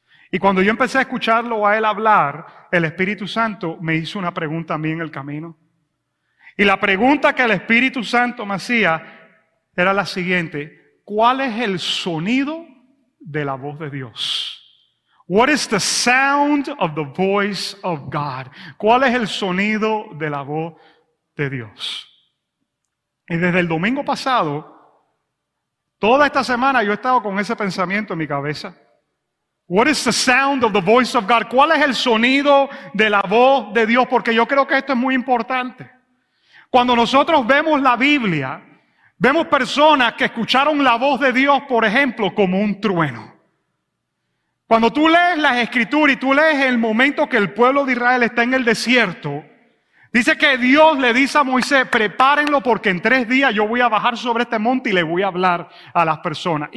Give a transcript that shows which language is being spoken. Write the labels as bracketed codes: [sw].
[es] Y cuando yo empecé a escucharlo a él hablar, el Espíritu Santo me hizo una pregunta a mí en el camino. Y la pregunta que el Espíritu Santo me hacía era la siguiente, ¿cuál es el sonido de la voz de Dios? [en] What is the sound of the voice of God? [es] ¿Cuál es el sonido de la voz de Dios? Y desde el domingo pasado, toda esta semana yo he estado con ese pensamiento en mi cabeza. [en] What is the sound of the voice of God? [es] ¿Cuál es el sonido de la voz de Dios? Porque yo creo que esto es muy importante. Cuando nosotros vemos la Biblia, vemos personas que escucharon la voz de Dios, por ejemplo, como un trueno. Cuando tú lees las Escrituras y tú lees el momento que el pueblo de Israel está en el desierto, dice que Dios le dice a Moisés, prepárenlo porque en 3 días yo voy a bajar sobre este monte y le voy a hablar a las personas.